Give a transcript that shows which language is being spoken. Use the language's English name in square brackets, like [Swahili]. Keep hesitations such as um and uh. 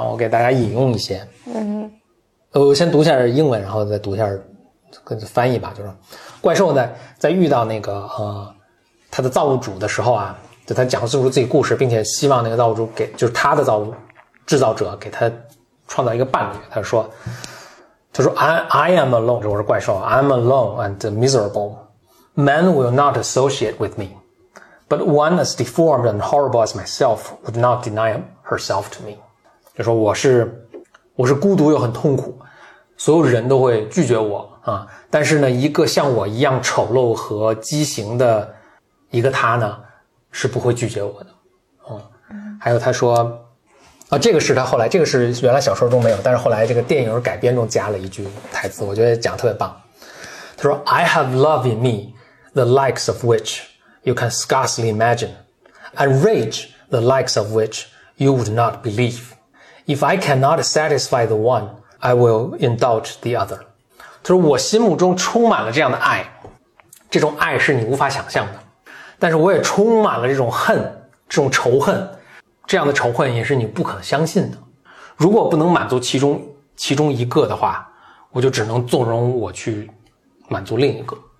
[Chinese] 我给大家引用一些，嗯，我先读一下英文，然后再读一下跟翻译吧。就是怪兽呢，在遇到那个呃他的造物主的时候啊，就他讲述是自己故事，并且希望那个造物主给就是他的造物制造者给他创造一个伴侣。他说：“他说 [English] I I am alone， [Chinese] 我是怪兽， [English] I'm alone and miserable。 Man will not associate with me，but one as deformed and horrible as myself would not deny him。 ” herself to me， [Chinese] 就说我是我是孤独又很痛苦，所有人都会拒绝我啊！但是呢，一个像我一样丑陋和畸形的，一个他呢是不会拒绝我的。嗯，还有他说啊，这个是他后来，这个是原来小说中没有，但是后来这个电影改编中加了一句台词，我觉得讲特别棒。他说：“ [English] I have love in me, the likes of which you can scarcely imagine, and rage the likes of which。 ” You would not believe if I cannot satisfy the one, I will indulge the other。 [Chinese] 他说，我心目中充满了这样的爱，这种爱是你无法想象的。但是我也充满了这种恨，这种仇恨，这样的仇恨也是你不可相信的。如果不能满足其中其中一个的话，我就只能纵容我去满足另一个。